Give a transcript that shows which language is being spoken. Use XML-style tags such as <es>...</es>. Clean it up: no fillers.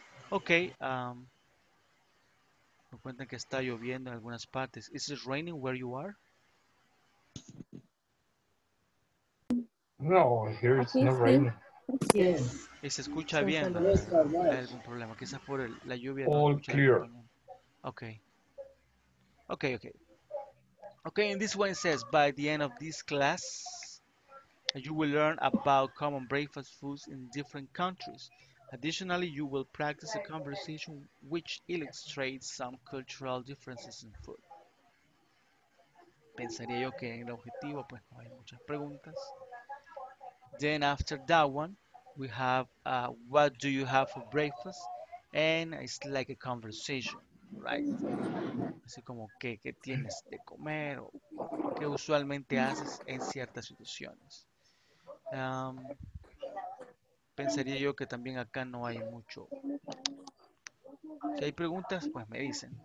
<es>Okay, me cuentan que está lloviendo en algunas partes.</es> <en>Is it raining where you are? No, here it's not raining. Yes.</en> <es>Y se escucha bien. No hay algún problema, quizás por el, la lluvia.</es> <en>All clear. Okay, and this one says, by the end of this class, you will learn about common breakfast foods in different countries. Additionally, you will practice a conversation which illustrates some cultural differences in food.</en> <es>Pensaría yo que en el objetivo, pues no hay muchas preguntas.</es> <en>Then after that one, we have, what do you have for breakfast? And it's like a conversation. Right.</en> <es>Así como que qué tienes de comer o qué usualmente haces en ciertas situaciones. Pensaría yo que también acá no hay mucho. Si hay preguntas, pues me dicen.</es>